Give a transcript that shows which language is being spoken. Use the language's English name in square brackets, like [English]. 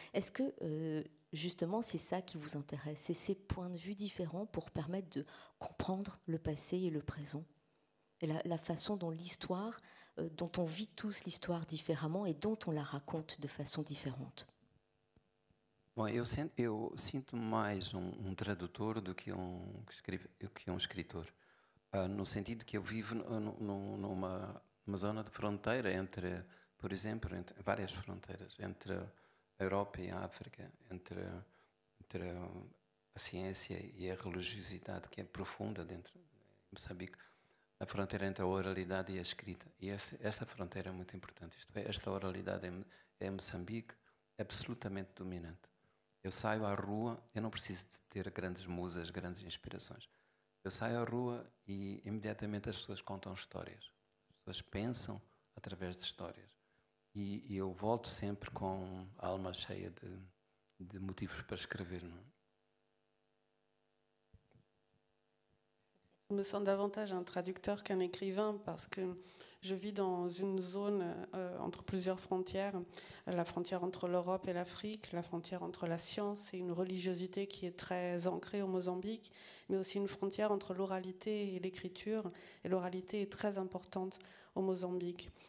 [French] Est-ce que justement c'est ça qui vous intéresse, c'est ces points de vue différents pour permettre de comprendre le passé et le présent, et la façon dont l'histoire, dont on vit tous l'histoire différemment et dont on la raconte de façon différente? [Portuguese] Bom, eu sinto mais um tradutor do que um escritor, no sentido que eu vivo numa zona de fronteira entre, por exemplo, entre várias fronteiras, entre a Europa e a África, entre a ciência e a religiosidade, que é profunda dentro de Moçambique, a fronteira entre a oralidade e a escrita. E esta fronteira é muito importante. Isto é, esta oralidade é Moçambique, absolutamente dominante. Eu saio à rua, eu não preciso de ter grandes musas, grandes inspirações. Eu saio à rua e imediatamente as pessoas contam histórias. As pessoas pensam através de histórias. E eu volto sempre com a alma cheia de motivos para escrever, não é? [French] Je me sens davantage un traducteur qu'un écrivain parce que je vis dans une zone entre plusieurs frontières, la frontière entre l'Europe et l'Afrique, la frontière entre la science et une religiosité qui est très ancrée au Mozambique, mais aussi une frontière entre l'oralité et l'écriture, et l'oralité est très importante au Mozambique.